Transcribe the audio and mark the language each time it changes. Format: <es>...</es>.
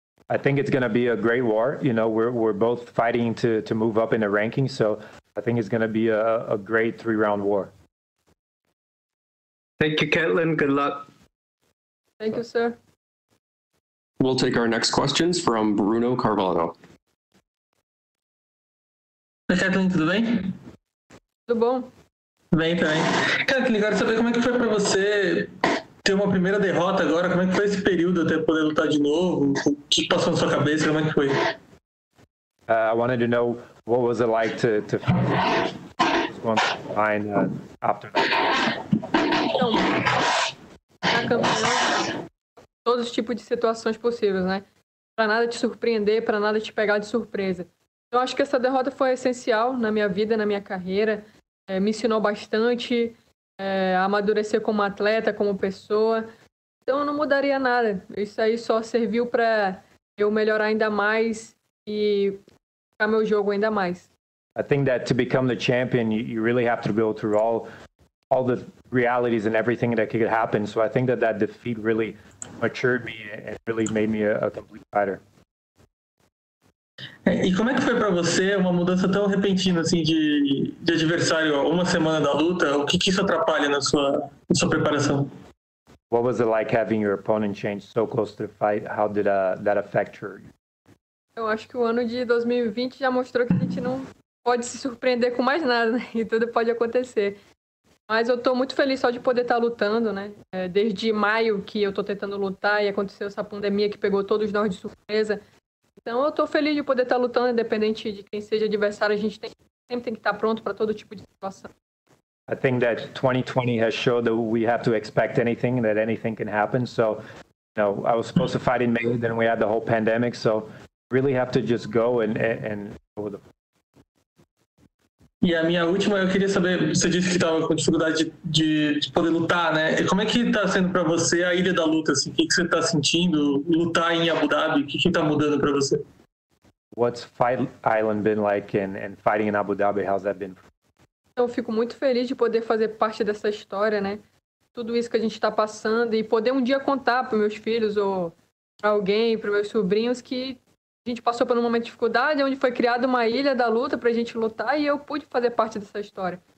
<en>I think it's going to be a great war. You know, we're both fighting to move up in the ranking. So I think it's going to be a great three-round war. Thank you, Ketlin. Good luck. Thank you, sir. We'll take our next questions from Bruno Carvalho.</en> <pt>Oi, Ketlin, tudo bem? Tudo bom. Bem, também. Ketlin, quero saber como é que foi para você ter uma primeira derrota agora, como é que foi esse período até poder lutar de novo, o que passou na sua cabeça, como é que foi?</pt> <en>I wanted to know what was it like to find after that.</en> <pt>Então, na campeão, todos os tipos de situações possíveis, né? Para nada te surpreender, para nada te pegar de surpresa. Eu acho que essa derrota foi essencial na minha vida, na minha carreira. Me ensinou bastante a amadurecer como atleta, como pessoa. Então, eu não mudaria nada. Isso aí só serviu para eu melhorar ainda mais e ficar meu jogo ainda mais.</pt> <en>I think that to become the champion, you really have to go through all the realities and everything that could happen. So I think that defeat really matured me and really made me a complete fighter.</en> <pt>E como é que foi para você uma mudança tão repentina assim de adversário, uma semana da luta? O que isso atrapalha na sua preparação?</pt> <en>What was it like having your opponent change so close to the fight? How did that affect you?</en> <pt>Eu acho que o ano de 2020 já mostrou que a gente não pode se surpreender com mais nada, né? E tudo pode acontecer. Mas eu tô muito feliz só de poder estar lutando, né? Desde maio que eu tô tentando lutar e aconteceu essa pandemia que pegou todos nós de surpresa. Então, eu estou feliz de poder estar lutando, independente de quem seja adversário. A gente sempre tem que estar pronto para todo tipo de situação.</pt> <en>I think that 2020 has shown that we have to expect anything, that anything can happen. So, you know, I was supposed to fight in May, then we had the whole pandemic. So, really have to just go and go with the...</en> <pt>E a minha última, eu queria saber, você disse que estava com dificuldade de poder lutar, né? E como é que está sendo para você a Ilha da Luta? Assim? O que você está sentindo lutar em Abu Dhabi? O que está mudando para você?</pt> <en>What's Fight Island been like and fighting in Abu Dhabi? How's that been?</en> <pt>Eu fico muito feliz de poder fazer parte dessa história, né? tudo isso que a gente está passando e poder um dia contar para meus filhos ou para alguém, para meus sobrinhos, que a gente passou por um momento de dificuldade, onde foi criada uma ilha da luta para a gente lutar e eu pude fazer parte dessa história.</pt>